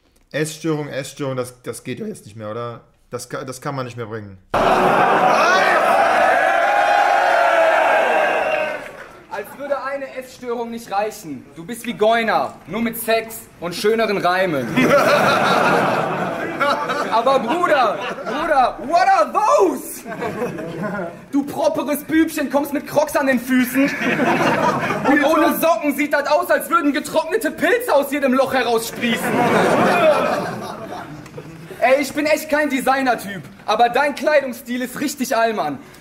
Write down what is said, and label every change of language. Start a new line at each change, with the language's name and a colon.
German: Essstörung, das geht ja jetzt nicht mehr, oder? Das kann man nicht mehr bringen. Als würde eine Essstörung nicht reichen. Du bist wie Goyner, nur mit Sex und schöneren Reimen. Aber Bruder, Bruder,
English: what are those?
German: Du properes Bübchen, kommst mit Crocs an den Füßen. Und ohne Socken sieht das aus, als würden getrocknete Pilze aus jedem Loch heraussprießen. Ey, ich bin echt kein Designer-Typ, aber dein Kleidungsstil ist richtig Allmann.